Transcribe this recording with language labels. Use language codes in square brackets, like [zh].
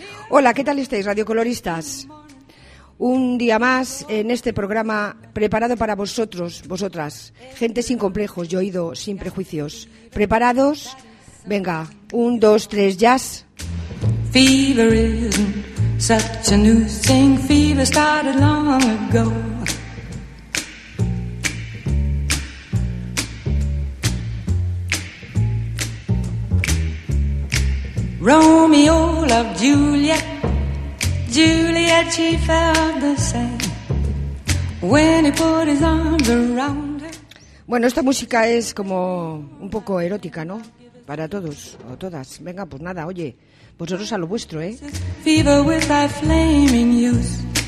[es] Hola, ¿qué tal estáis, radiocoloristas? Un día más en este programa preparado para vosotros, vosotras, gente sin complejos y oído sin prejuicios. ¿Preparados? Venga, un, dos, tres, jazz. [en] Fever isn't such a new thing. Fever started long ago. Romeo loved Juliet. Juliet, she felt the same when he put his arms around her. [es] Bueno, esta música es como un poco erótica, ¿no? Para todos o todas. Venga, pues nada, oye, vosotros a lo vuestro, ¿eh? [en] Fever with thy flaming youth.